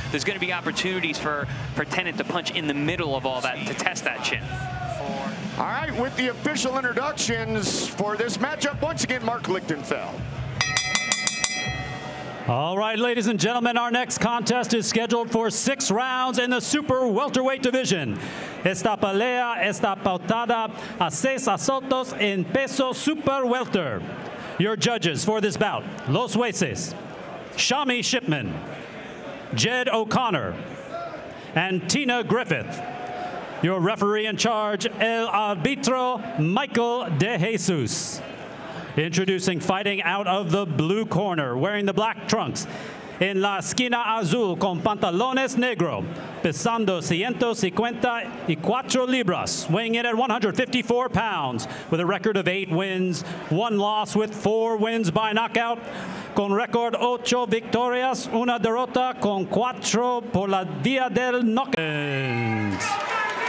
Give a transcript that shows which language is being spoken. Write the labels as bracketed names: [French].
[English] There's going to be opportunities for Tennant to punch in the middle of all that to test that chin. All right, with the official introductions for this matchup, once again, Mark Lichtenfeld. All right, ladies and gentlemen, our next contest is scheduled for 6 rounds in the super welterweight division. [Spanish] Esta pelea está pautada a 6 asaltos en peso super welter. [English] Your judges for this bout, [Spanish] Los Jueces, [English] Shami Shipman, Jed O'Connor, and Tina Griffith. Your referee in charge, [Spanish] El Arbitro [English] Michael De Jesus. Introducing fighting out of the blue corner, wearing the black trunks, in [Spanish] la esquina azul con pantalones negro, pesando 154 libras, [English] weighing in at 154 pounds, with a record of 8 wins, 1 loss with 4 wins by knockout, [Spanish] con record 8 victorias, una derrota con 4 por la vía del knockout.